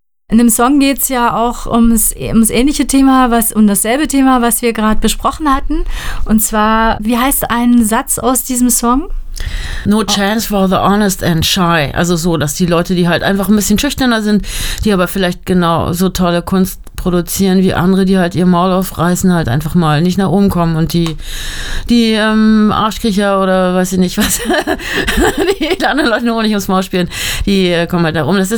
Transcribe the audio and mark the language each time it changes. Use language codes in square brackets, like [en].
[de] In dem Song geht es ja auch ums ähnliche Thema, um dasselbe Thema, was wir gerade besprochen hatten. Und zwar, wie heißt ein Satz aus diesem Song? [en] No chance for the honest and shy. [de] Also so, dass die Leute, die halt einfach ein bisschen schüchterner sind, die aber vielleicht genau so tolle Kunst produzieren wie andere, die halt ihr Maul aufreißen, halt einfach mal nicht nach oben kommen und die Arschkriecher oder weiß ich nicht was, die anderen Leute nur nicht ums Maul spielen, die kommen halt da rum.